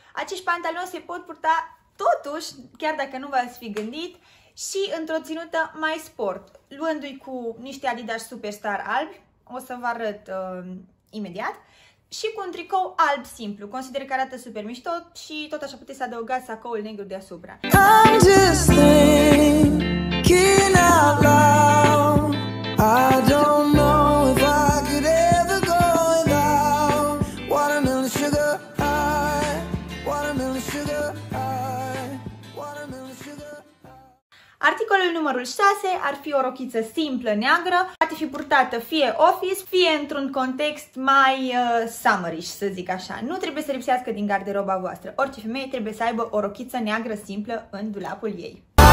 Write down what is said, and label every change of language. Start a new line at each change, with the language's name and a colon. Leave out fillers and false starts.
Romanian: Acești pantaloni se pot purta totuși, chiar dacă nu v-ați fi gândit, și într-o ținută mai sport, luându-i cu niște Adidas Superstar albi, o să vă arăt imediat, și cu un tricou alb simplu. Consider că arată super mișto și tot așa puteți adăuga sacoul negru deasupra.
English: I'm just thinking out loud. I don't know if I could ever go without watermelon sugar high, watermelon sugar high, watermelon sugar high.
Romanian: Articolul numărul 6 ar fi o rochiță simplă neagră, poate fi purtată fie office, fie într-un context mai summerish, să zic așa. Nu trebuie să lipsească din garderoba voastră. Orice femeie trebuie să aibă o rochiță neagră simplă în dulapul ei.